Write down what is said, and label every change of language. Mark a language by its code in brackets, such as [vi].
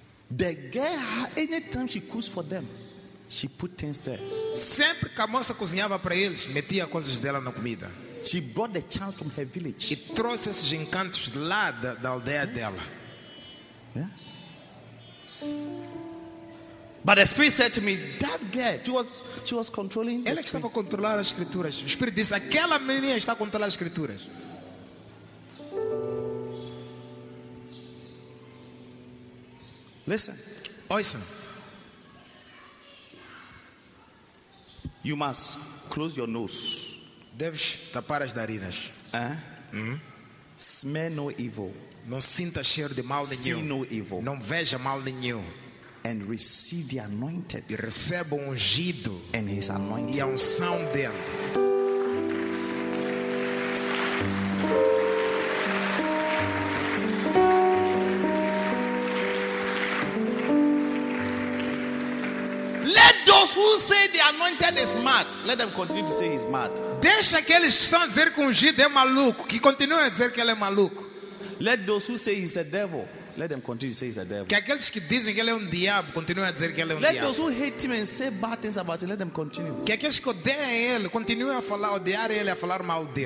[en] The girl, anytime she cooks for them, she put things there. [pt] Sempre que a moça cozinhava para eles, metia coisas dela na comida. [en] She brought the charms from her village. [pt] E trouxe esses encantos lá da, da aldeia dela. [en] Yeah. But the Spirit said to me, that girl, she was controlling. [pt] Ela estava a controlar as escrituras. O Espírito disse, aquela menina está a controlar as escrituras. [en] Listen, Oyson. You must close your nose. [pt] Deves tapar as narinas. [en] Smell no evil. [pt] Não sinta cheiro de mal nenhum. [en] See no evil. [pt] Não veja mal nenhum. [en] And receive the anointed. [pt] E receba o ungido. [en] And his anointed. [pt] E a unção dele. [en] Let those who say the anointed is mad, let them continue to say he's mad. [pt] Deixa aqueles que estão a dizer que o ungido é maluco, que continuem a dizer que ele é maluco. [en] Let those who say he's a devil, let them continue to say he's a devil. [pt] Que aqueles que dizem que ele é diabo continuem a dizer que ele é [en] let [pt] diabo. [en] Let those who hate him and say bad things about him, let them continue. [pt] Que aqueles que odeiam ele continuem a falar, odiar ele, a falar mal dele.